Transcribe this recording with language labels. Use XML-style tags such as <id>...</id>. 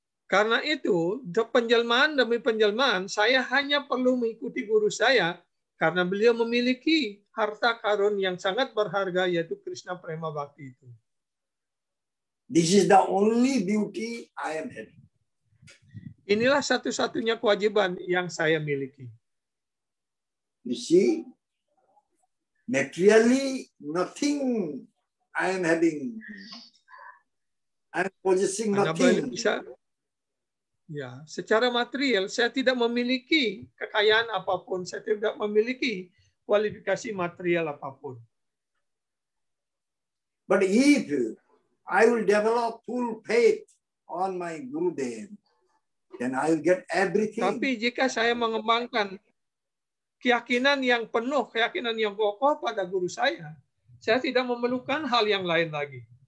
<id>Karena itu, penjelmaan demi penjelmaan, saya hanya perlu mengikuti guru saya karena beliau memiliki harta karun yang sangat berharga, yaitu Krishna Prema Bhakti itu.</id> <en>This is the only duty I am having.</en> <id>Inilah satu-satunya kewajiban yang saya miliki.</id> <en>You see, materially nothing I am having. I am possessing nothing.</en> <id>Ya, secara material saya tidak memiliki kekayaan apapun, saya tidak memiliki kualifikasi material apapun.</id> <en>But if I will develop full faith on my Gurudev, then I will get everything.</en> <id>Tapi jika saya mengembangkan keyakinan yang penuh, keyakinan yang kokoh pada guru saya tidak memerlukan hal yang lain lagi.</id>